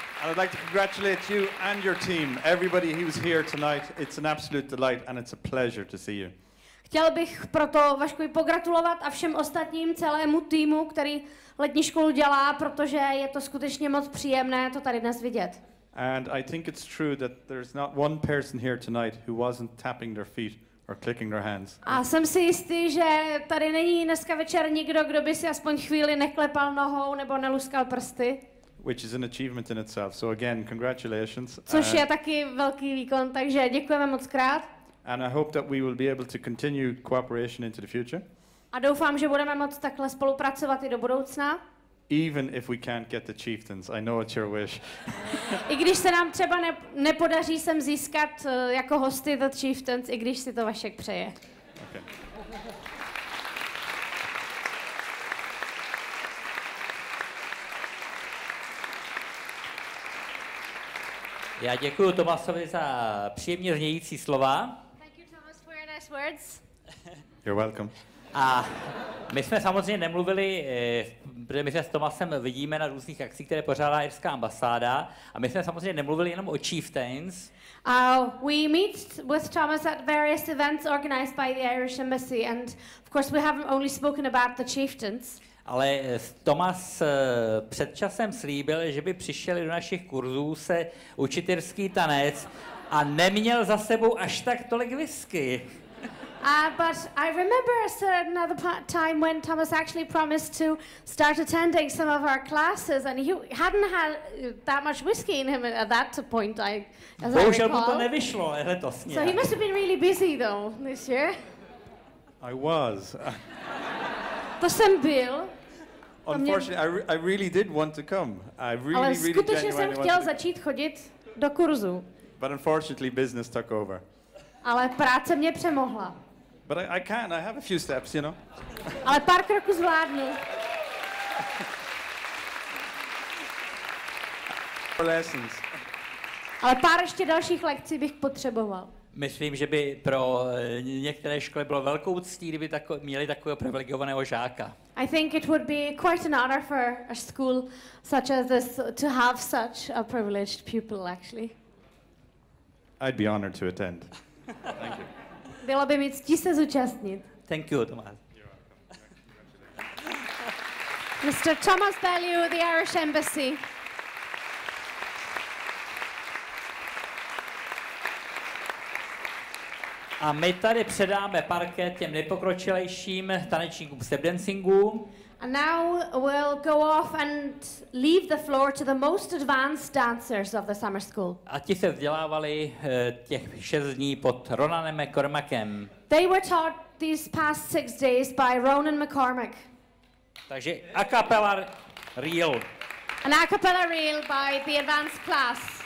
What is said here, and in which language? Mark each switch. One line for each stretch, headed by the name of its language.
English: And I'd like to congratulate you and your team. Everybody who's here tonight, it's an absolute delight and it's a pleasure to see you.
Czech: Chtěl bych proto Vaškovi pogratulovat a všem ostatním, celému týmu, který letní školu dělá, protože je to skutečně moc příjemné to tady dnes vidět.
English: And I think it's true that there's not one person here tonight who wasn't tapping their feet or clicking their hands.
Czech: A jsem si jistý, že tady není dneska večer nikdo, kdo by si aspoň chvíli neklepal nohou nebo neluskal prsty.
English: Which is an achievement in itself. So again, congratulations.
Czech: Což je taky velký výkon, takže děkujeme moc krát.
English: And I hope that we will be able to continue cooperation into the future.
Czech: A doufám, že budeme moc takhle spolupracovat i do budoucna.
English: Even if we can't get the chieftains, I know it's your wish.
Czech: I když se nám třeba nepodaří sem získat jako hosty the chieftains, i když si to Vašek přeje.
English: Okay.
Czech: Já děkuju Tomasovi za příjemně znějící slova.
English: Thank you, Thomas, for your nice words. You're welcome.
Czech: A my jsme samozřejmě nemluvili, protože my se s Tomasem vidíme na různých akcích, které pořádá irská ambasáda, a my jsme samozřejmě nemluvili jenom o chieftains.
English: We meet with Thomas at various events organized by the Irish Embassy, and of course we haven't only spoken about the chieftains.
Czech: Ale Tomas před časem slíbil, že by přišel do našich kurzů se učit irský tanec a neměl za sebou až tak tolik whisky.
English: But I remember a certain other time when Thomas actually promised to start attending some of our classes and he hadn't had that much whisky in him at that point, as I recall.
Czech: Bohužel mu to nevyšlo letos.
English: So he must have been really busy though this year. I was.
Czech: To jsem byl.
English: Unfortunately, I really did want to come. I really,
Czech: ale skutečně
English: really genuinely
Czech: jsem chtěl začít chodit do kurzu.
English: But unfortunately, business took over.
Czech: Ale práce mě přemohla.
English: But I can, I have a few steps, you know.
Czech: Ale pár kroků zvládnu.
English: Lessons.
Czech: Ale pár ještě dalších lekcí bych potřeboval. Myslím, že by pro některé školy bylo velkou ctí, kdyby měli takového privilegovaného žáka.
English: I think it would be quite an honor for a school such as this to have such a privileged pupil, actually. I'd be honored to attend. Thank you.
Czech: Bylo by mi ctí se zúčastnit.
English: Thank you, Tomáš. Mr. Thomas Bellew, the Irish Embassy.
Czech: A my tady předáme parket těm nejpokročilejším tanečníkům step dancingu.
English: And now we'll go off and leave the floor to the most advanced dancers of the summer school.
Czech: A ti se vzdělávali těch 6 dní pod Ronanem McCormackem.
English: They were taught these past 6 days by Ronan McCormack.
Czech: Takže a cappella reel.
English: An a cappella reel by the advanced class.